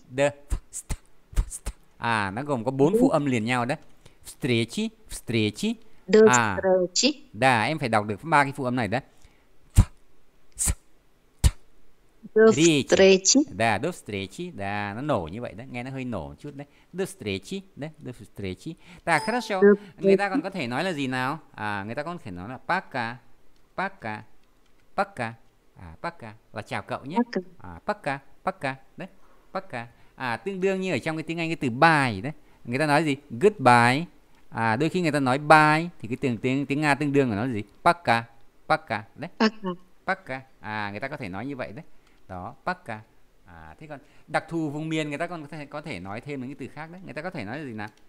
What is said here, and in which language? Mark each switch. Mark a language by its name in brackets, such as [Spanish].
[Vietnamese] The встречи. À, nó gồm có bốn phụ âm liền nhau đấy. [Russian] Встречи, встречи, à, встречи. Да, [Vietnamese] em phải đọc được ba cái phụ âm này đấy. [Russian] Встречи. Да, до встречи. Да, [Vietnamese] nó nổ như vậy đấy, nghe nó hơi nổ một chút đấy. [Russian] До встречи, đấy, до встречи. Да, хорошо. [Vietnamese] Người ta còn có thể nói là gì nào? À, người ta còn có thể nói là пока, пока, пока. À, пока là chào cậu nhé. [Russian] À, пока, пока, đấy, пока. [Vietnamese] À, tương đương như ở trong cái tiếng Anh cái từ bye đấy. Người ta nói gì? Goodbye. À, đôi khi người ta nói bye thì cái tiếng Nga tương đương của nó là gì? [Russian] Пока. Пока. Đấy. Пока. [Vietnamese] À, người ta có thể nói như vậy đấy. [Russian] Đó, пока. [Vietnamese] À, thế còn đặc thù vùng miền người ta còn có thể nói thêm những cái từ khác đấy. Người ta có thể nói là gì nào?